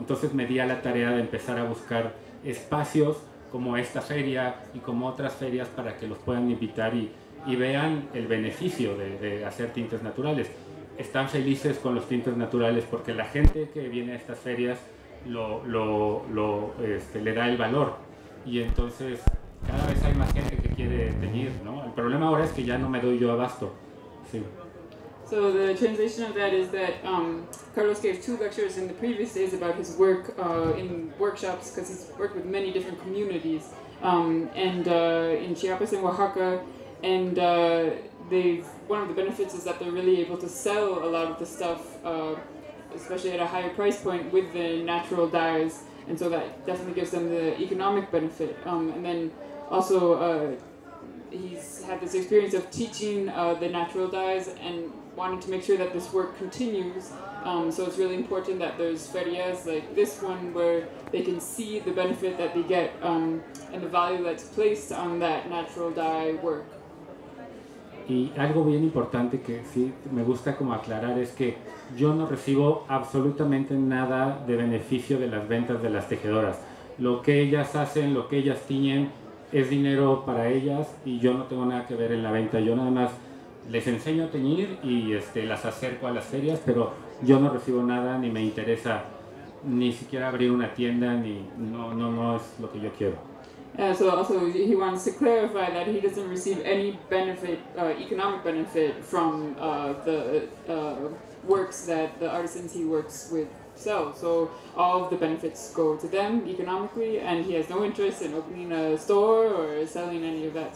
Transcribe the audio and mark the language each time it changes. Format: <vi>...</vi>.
<es>Entonces me di a la tarea de empezar a buscar espacios como esta feria y como otras ferias para que los puedan invitar y vean el beneficio de hacer tintes naturales. Están felices con los tintes naturales porque la gente que viene a estas ferias le da el valor. Y entonces cada vez hay más gente que quiere teñir, ¿no? El problema ahora es que ya no me doy yo abasto. Sí.</es> <en>So the translation of that is that Carlos gave two lectures in the previous days about his work in workshops, because he's worked with many different communities in Chiapas and Oaxaca, and one of the benefits is that they're really able to sell a lot of the stuff, especially at a higher price point, with the natural dyes, and so that definitely gives them the economic benefit. And then also he's had this experience of teaching the natural dyes and wanted to make sure that this work continues, so it's really important that there's ferias like this one where they can see the benefit that they get and the value that's placed on that natural dye work.</en> <es>y algo bien importante que sí me gusta como aclarar es que yo no recibo absolutamente nada de beneficio de las ventas de las tejedoras. Lo que ellas hacen, lo que ellas tiñen, es dinero para ellas y yo no tengo nada que ver en la venta. Yo nada más les enseño a teñir y las acerco a las ferias, pero yo no recibo nada ni me interesa ni siquiera abrir una tienda, ni no es lo que yo quiero.</es> <en>So also he wants to clarify that he doesn't receive any benefit, economic benefit from the works that the artisans he works with sell. So all of the benefits go to them economically, and he has no interest in opening a store or selling any of that.</en>